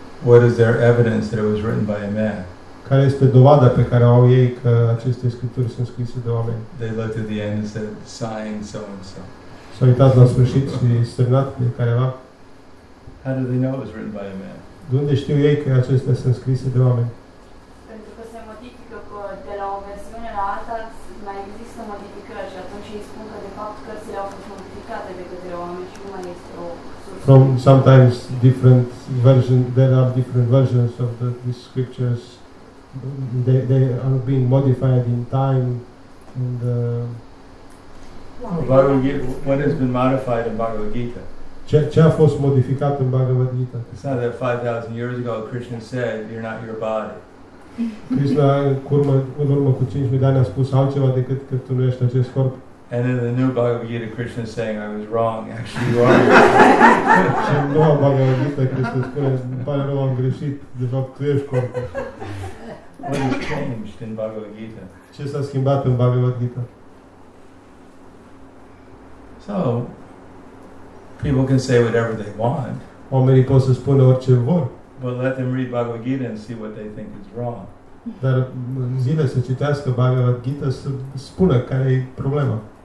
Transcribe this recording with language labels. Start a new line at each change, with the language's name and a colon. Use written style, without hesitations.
English: What is their evidence that it was written by a man?
Romanian: Care este dovada pe care au ei că aceste scripturi sunt scrise de oameni?
English: They looked at the end and said, signed so and so.
Romanian: S-a uitat la sfârșit și semnat de careva.
English: How do they know it was written by a man?
Romanian: De unde știu ei că acestea sunt scrise de oameni? Pentru că se modifică de la o versiune la alta, mai există modificări și atunci îi spun că de fapt cărțile au fost modificate de către oameni și nu mai este o sursă.
English: From sometimes different versions, there are different versions of these scriptures. They are being modified in time and Bhagavad Gita, what has been modified in Bhagavad Gita?
Romanian: Ce a fost modificat în Bhagavad Gita?
English: It's not that 5,000 years ago Krishna said, you're not your body.
Romanian: Krishna, în urmă cu 5,000 de ani, a spus altceva decât că tu nu ești acest corp.
English: And in the new Bhagavad Gita, Krishna is saying, I was wrong, actually you are.
Romanian: Și în noua Bhagavad Gita, Krishna spune, îmi pare rău, am greșit, de fapt, tu ești corpul.
English: What has changed in Bhagavad Gita?
Romanian: Ce s-a schimbat în Bhagavad Gita?
English: So, people can say whatever they want.
Romanian: Oamenii pot să spună orice vor.
English: But let them read Bhagavad Gita and see what they think is wrong.
Romanian: Dar în zile să citească Bhagavad Gita, să spună care e problema.